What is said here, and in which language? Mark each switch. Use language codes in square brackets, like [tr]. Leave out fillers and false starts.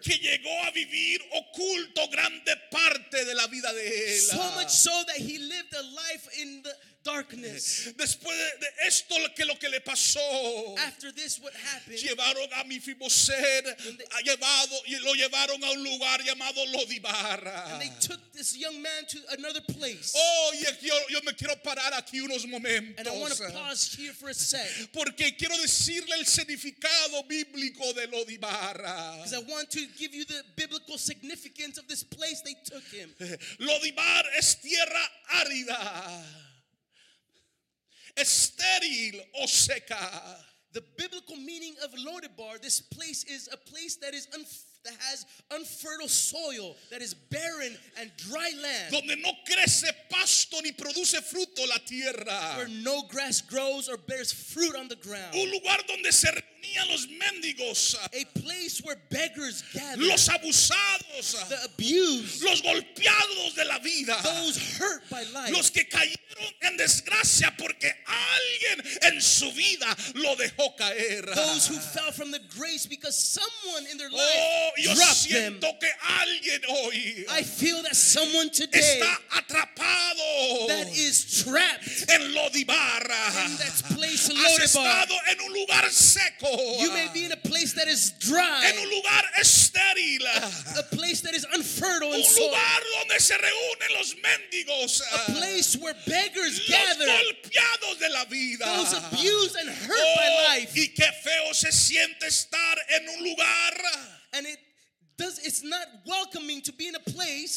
[es] Que llegó a vivir oculto grande parte de la vida de él. [en] So much so that he lived a life in the darkness. [es] Después de esto lo que le pasó. [en] After this what happened. [es] Llevaron a Mefiboset, lo llevaron a un lugar llamado Lodibar. [en] And they took this young man to another place. [es] Oh, yo me quiero parar aquí unos momentos. [en] And I want to pause here for a sec. [es] Porque quiero decirle el significado bíblico de Lodibar. [en] Because I want to give you the biblical significance of this place they took him. [es] Lodibar es tierra árida. Estéril o seca. [en] The biblical meaning of Lodibar, this place is a place that is that has unfertile soil, that is barren and dry land. [es] Donde no crece pasto ni produce fruto la tierra. [en] Where no grass grows or bears fruit on the ground. [es] Un lugar donde se reunían los mendigos. [en] A place where beggars gather. [es] Los abusados. [en] The abused. [es] Los golpeados de la vida. [en] Those hurt by life. [es] Los que cayeron en desgracia porque alguien en su vida lo dejó caer. [en] Those who fell from the grace because someone in their life. [es] Yo siento que alguien hoy [en] I feel that someone today [es] está atrapado [en] that is trapped [es] en Lodibar. [en] In that place Lodibar. [es] Has estado en un lugar seco. [en] You may be in a place that is dry. [es] En un lugar estéril. [en] A place that is unfertile. [es] Un lugar donde se reúnen los mendigos. [en] A place where beggars gather. [es] Los golpeados de la vida. [en] Those abused and hurt oh, by life. [es] Y qué feo se siente estar en un lugar. [en] And it's not welcoming to be in a place